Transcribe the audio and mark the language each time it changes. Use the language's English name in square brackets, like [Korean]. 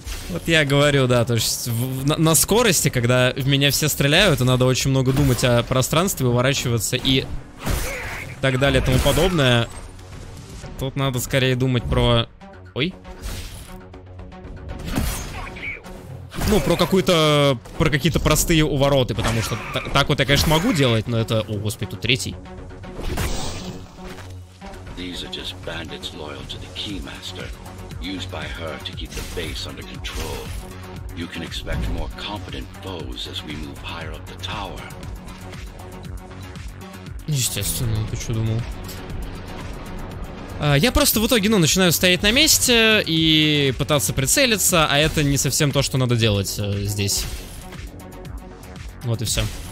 [Russian] Вот я говорю, да, то есть на скорости, когда в меня все стреляют, и надо очень много думать о пространстве, уворачиваться и так далее, тому подобное. Тут надо скорее думать про... Ой. Ну, про какую-то... Про какие-то простые увороты, потому что так вот я, конечно, могу делать, но это... О, господи, тут третий. [English] These are just bandits loyal to the Keymaster, used by her to keep the base under control. You can expect more competent foes as we move higher up the tower. [Russian] Естественно, ты что думал? Я просто в итоге, ну, начинаю стоять на месте и пытаться прицелиться, а это не совсем то, что надо делать здесь. Вот и все.